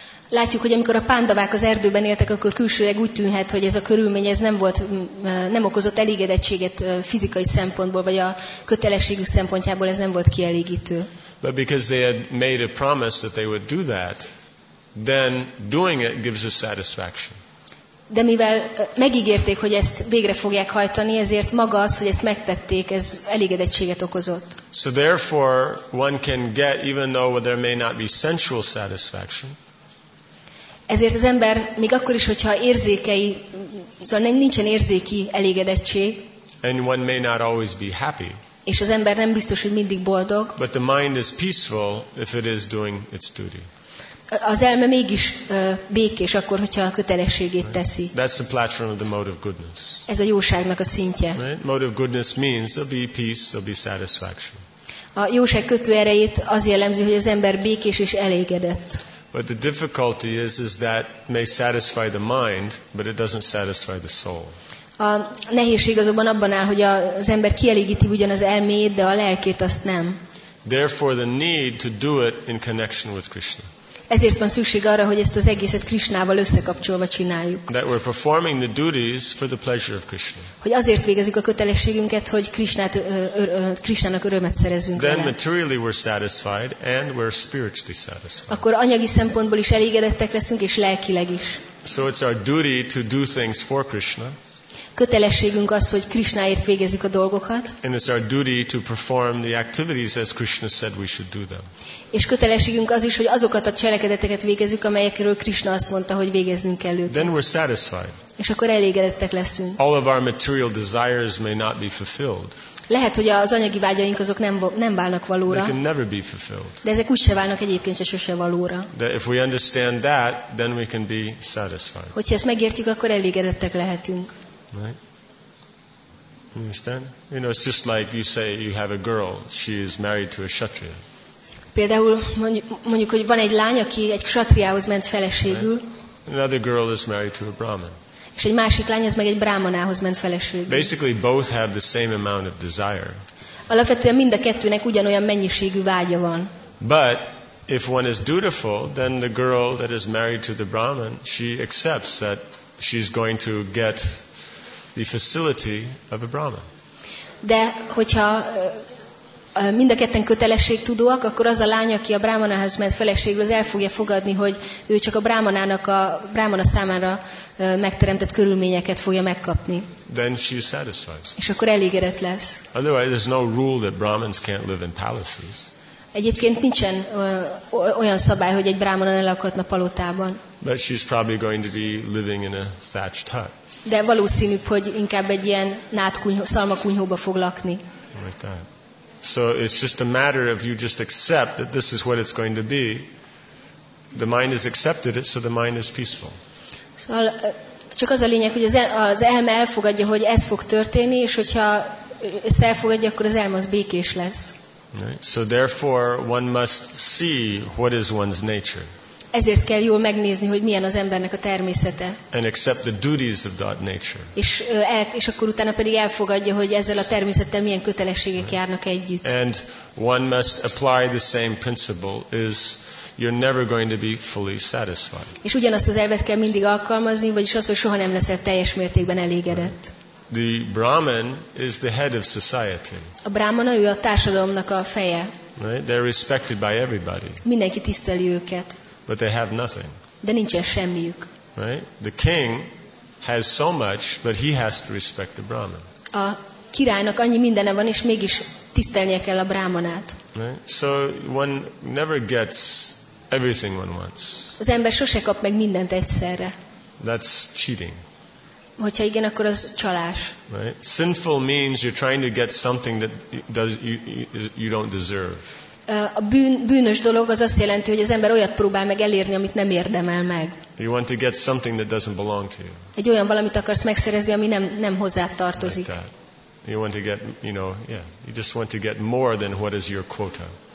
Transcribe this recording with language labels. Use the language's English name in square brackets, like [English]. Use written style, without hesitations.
[Hungarian] Látjuk, hogy amikor a pándavák az erdőben éltek, akkor külsőleg úgy tűnhet, hogy ez a körülmény ez nem okozott elégedettséget fizikai szempontból, vagy a kötelességük szempontjából ez nem volt kielégítő. [English] But because they had made a promise that they would do that, then doing it gives a satisfaction. [Hungarian] De mivel megígérték, hogy ezt végre fogják hajtani, ezért maga az, hogy ezt megtették, ez elégedettséget okozott. [English] So therefore one can get, even though there may not be sensual satisfaction, [Hungarian] ezért az ember még akkor is, hogyha érzékei, szóval nincsen érzéki elégedettség. [English] And one may not always be happy. [Hungarian] És az ember nem biztos, hogy mindig boldog. [English] But the mind is peaceful if it is doing its duty. [Hungarian] Az elme mégis békés akkor, hogyha a kötelességét teszi. [English] That's the platform of the mode of goodness. [Hungarian] Ez a jóságnak a szintje. [English] Right? Mode of goodness means there'll be peace, there'll be satisfaction. [Hungarian] A jóság kötő erejét az jellemzi, hogy az ember békés és elégedett. [English] But the difficulty is that may satisfy the mind, but it doesn't satisfy the soul. [Hungarian] A nehézség azonban abban áll, hogy az ember kielégíti ugyan az elmét, de a lelkét azt nem. [English] Therefore the need to do it in connection with Krishna. [Hungarian] Ezért van szükség arra, hogy ezt az egészet Krisnával összekapcsolva csináljuk. [English] That we're performing the duties for the pleasure of Krishna. [Hungarian] Hogy azért végezzük a kötelességünket, hogy Krisnának örömet szerezünk vele. [English] Then materially we're satisfied and we're spiritually satisfied. [Hungarian] Akkor anyagi szempontból is elégedettek leszünk és lelkileg is. [English] So it's our duty to do things for Krishna. [Hungarian] Kötelességünk az, hogy Krisnáért végezzük a dolgokat. [English] And it's our duty to perform the activities as Krishna said we should do them. [Hungarian] És kötelességünk az is, hogy azokat a cselekedeteket végezzük, amelyekről Krishna azt mondta, hogy végeznünk kell őket. [English] Then we're satisfied. [Hungarian] És akkor elégedettek leszünk. [English] All of our material desires may not be fulfilled. [Hungarian] Lehet, hogy az anyagi vágyaink azok nem válnak valóra. [English] They can never be fulfilled. [Hungarian] De ezek úgyse válnak egyébként se sose valóra. [English] That if we understand that, then we can be satisfied. [Hungarian] Hogyha ezt megértjük, akkor elégedettek lehetünk. [English] Right? Understand? You know, it's just like you say you have a girl. She is married to a kshatriya. [Hungarian] Például mondjuk, hogy van egy lány, aki egy kshatriához ment feleségül. [English] Right? Another girl is married to a brahman. [Hungarian] És egy másik lány az meg egy brahmanához ment feleségül. [English] Basically, both have the same amount of desire. [Hungarian] Alapvetően mind a kettőnek ugyanolyan mennyiségű vágya van. [English] But if one is dutiful, then the girl that is married to the brahman, she accepts that she's going to get the facility of a brahman. [Hungarian] De hogyha mind a ketten kötelességtudóak, akkor az a lány, aki a brahmanához ment feleségül, az el fogja fogadni, hogy ő csak a brahmanának a brahmana számára megteremtett körülményeket fogja megkapni. [English] Then she is satisfied. [Hungarian] És akkor elégedett lesz. [English] Otherwise, there's no rule that brahmins can't live in palaces. [Hungarian] Egyébként nincsen olyan szabály, hogy egy brahmana ne lakhatna palotában. [English] But she's probably going to be living in a thatched hut. [Hungarian] De valószínűbb, hogy inkább egy ilyen szalmakunyhóba fog lakni. [English] Like that. So it's just a matter of you just accept that this is what it's going to be. The mind has accepted it, so the mind is peaceful. [Hungarian] Szóval csak az a lényeg, hogy az elme elfogadja, hogy ez fog történni, és hogyha ezt elfogadja, akkor az elme az békés lesz. [English] Right. So therefore one must see what is one's nature. [Hungarian] Ezért kell jól megnézni, hogy milyen az embernek a természete. [English] And accept the duties of that nature. [Hungarian] És akkor utána pedig elfogadja, hogy ezzel a természettel milyen kötelességek right. járnak együtt. [English] And one must apply the same principle is you're never going to be fully satisfied. [Hungarian] És ugyanazt az elvet kell mindig alkalmazni, vagyis az, hogy soha nem leszel teljes mértékben elégedett. [English] Right. The brahman is the head of society. [Hungarian] A brahmana, ő a társadalomnak a feje. [English] Right. They're respected by everybody. [Hungarian] Mindenki tiszteli őket. [English] But they have nothing. [Hungarian] De nincsen semmiük. [English] Right? The king has so much, but he has to respect the brahman. [Hungarian] A királynak annyi mindene van, és mégis tisztelnie kell a brahmanát. [English] Right? So one never gets everything one wants. [Hungarian] Az ember sose kap meg mindent egyszerre. [English] That's cheating. [Hungarian] Hogyha igen, akkor az csalás. [English] Right? Sinful means you're trying to get something that you don't deserve. [Hungarian] A bűnös dolog az azt jelenti, hogy az ember olyat próbál meg elérni, amit nem érdemel meg. [English] You want to get something that doesn't belong to you. [Hungarian] Egy olyan valamit akarsz megszerezni, ami nem hozzád tartozik. [English] Like that. You want to get, you know, yeah, you just want to get more than what is your quota.